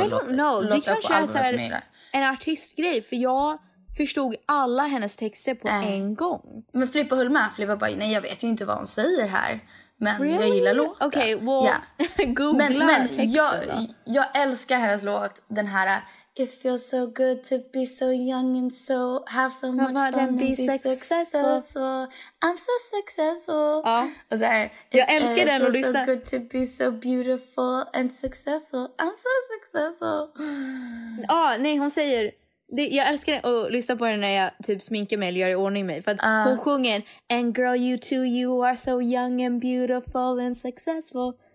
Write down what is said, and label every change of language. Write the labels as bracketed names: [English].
[Swedish] albumet. En artistgrej, för jag förstod alla hennes texter på en gång. Men Filippa höll med. Filippa bara, nej, jag vet ju inte vad hon säger här. Men [English] really? [Swedish] Jag gillar låten. [English] Okej, okay, well, yeah. Googla [Swedish] men texter jag älskar hennes låt. Den här, [English] it feels so good to be so young and so have so much fun and be successful. I'm so successful. [Swedish] Ja. Och så här, jag älskar den och lyssnar. [English] It feels so good to be so beautiful and successful. I'm so successful. [Swedish] Ja, nej, hon säger... jag älskar att lyssna på den när jag typ sminkar mig eller gör i ordning mig. För att hon sjunger, [English] and girl, you too, you are so young and beautiful and successful.